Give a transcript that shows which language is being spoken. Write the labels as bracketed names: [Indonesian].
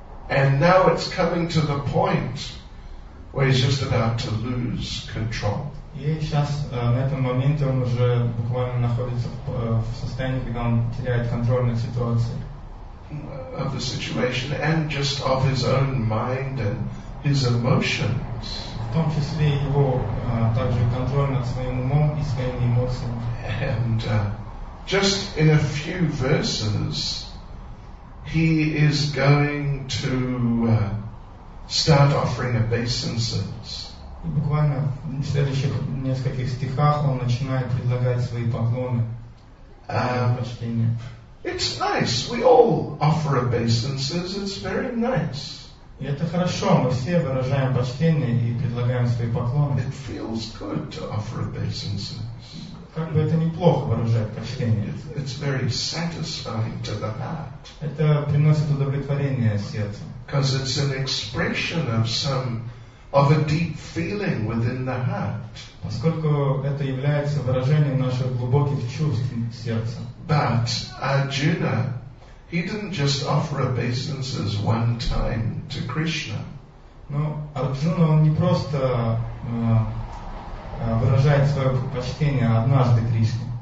[English] And now it's coming to the point where he's just about to lose control. [Russian] И сейчас, на этом моменте, он уже буквально находится в состоянии, когда он теряет контроль над ситуацией. [English] Of the situation and just of his own mind and his emotions. [Russian] В том числе его также контроль над своим умом и своими эмоциями. [English] And just in a few verses, he is going to start offering obeisances. [Russian] И буквально в следующих нескольких стихах он начинает предлагать свои поклоны. Почтение. [English] It's nice. We all offer obeisances. It's very nice. [Russian] И это хорошо. Мы все выражаем почтение и предлагаем свои поклоны. [English] It feels good to offer obeisances. [Russian] Как бы это неплохо выражает почтение. [English] It's very satisfying to the heart. [Russian] Это приносит удовлетворение сердцу. [English] Because it's an expression of some of a deep feeling within the heart. [Russian] Поскольку это является выражением наших глубоких чувств сердца. [English] But Arjuna, he didn't just offer obeisances one time to Krishna. [Russian] Но Арджуна, он не просто выражает свое почтение однажды Кришне.